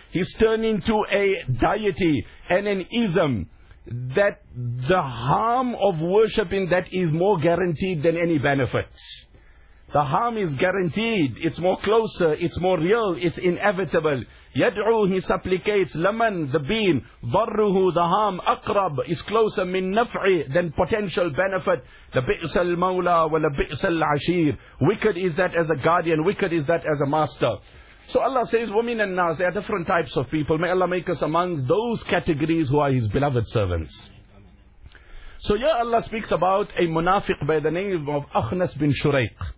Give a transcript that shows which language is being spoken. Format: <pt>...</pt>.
<en>He's turning to a deity and an ism that the harm of worshipping that is more guaranteed than any benefits. The harm is guaranteed. It's more closer. It's more real. It's inevitable.</en> <ar>يدعو,</ar> <en>he supplicates.</en> <ar>لمن,</ar> <en>the being.</en> <ar>ضرّه,</ar> <en>the harm.</en> <ar>أقرب,</ar> <en>is closer.</en> <ar>من نفعي,</ar> <en>than potential benefit.</en> <ar>لبئس المولى ولبئس العشير.</ar> <en>Wicked is that as a guardian. Wicked is that as a master. So Allah says, women and nas, there are different types of people. May Allah make us amongst those categories who are His beloved servants. So here Allah speaks about a munafiq by the name of Akhnas bin Shuraiq.</en>